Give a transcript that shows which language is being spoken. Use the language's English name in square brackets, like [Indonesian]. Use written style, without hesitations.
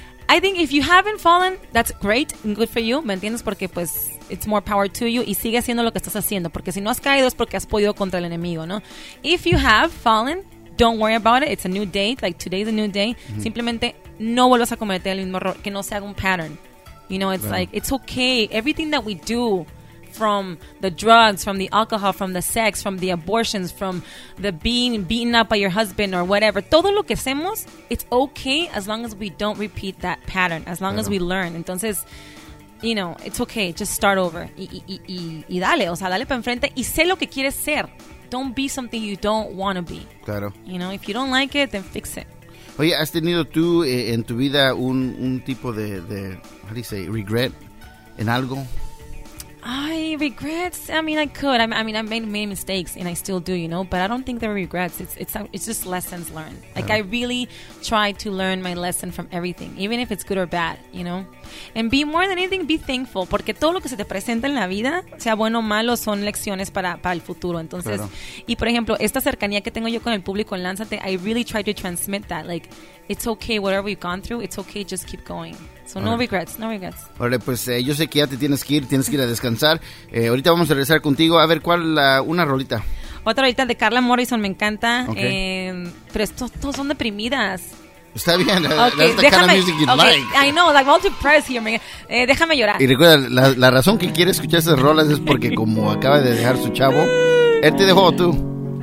[English] I think if you haven't fallen, that's great and good for you. [Spanish] ¿Me entiendes? Porque pues [English] it's more power to you [Spanish] y sigue haciendo lo que estás haciendo. Porque si no has caído es porque has podido contra el enemigo, ¿no? [English] If you have fallen, don't worry about it. It's a new day. Like today's a new day. Mm-hmm. [Spanish] Simplemente no vuelvas a cometer el mismo error. Que no se haga un pattern. [English] You know, it's like, it's okay. Everything that we do, from the drugs, from the alcohol, from the sex, from the abortions, from the being beaten up by your husband or whatever, [Spanish] todo lo que hacemos, [English] it's okay as long as we don't repeat that pattern, as long as we learn. Entonces, you know, it's okay. Just start over. [Spanish] Y dale, o sea, dale para enfrente y sé lo que quieres ser. [English] Don't be something you don't want to be. [Spanish] Claro. [English] You know, if you don't like it, then fix it. [Spanish] Oye, ¿has tenido tú en tu vida un tipo de [English] how do you say, [Spanish] regret en algo? [English] I regrets. I mean, I could. I mean, I've made many mistakes, and I still do, you know. But I don't think they're regrets. It's just lessons learned. Like I really try to learn my lesson from everything, even if it's good or bad, you know. And be more than anything, be thankful, [Spanish] porque todo lo que se te presenta en la vida, sea bueno o malo, son lecciones para el futuro. Entonces, y por ejemplo, esta cercanía que tengo yo con el público en Lánzate, [English] I really try to transmit that. Like, it's okay, whatever you've gone through, it's okay, just keep going. So no regrets, no regrets. [Spanish] Órale, pues yo sé que ya te tienes que ir a descansar. Ahorita vamos a regresar contigo. A ver, ¿cuál? Una rolita. Otra rolita de Carla Morrison, me encanta. Okay. Pero estos son deprimidas. Está bien, déjame, [English] kind of music you I know, like, I'm all depressed here, man. [Spanish] Déjame llorar. Y recuerda, la razón que quiere escuchar esas rolas es porque como acaba de dejar su chavo, él te dejó o tú.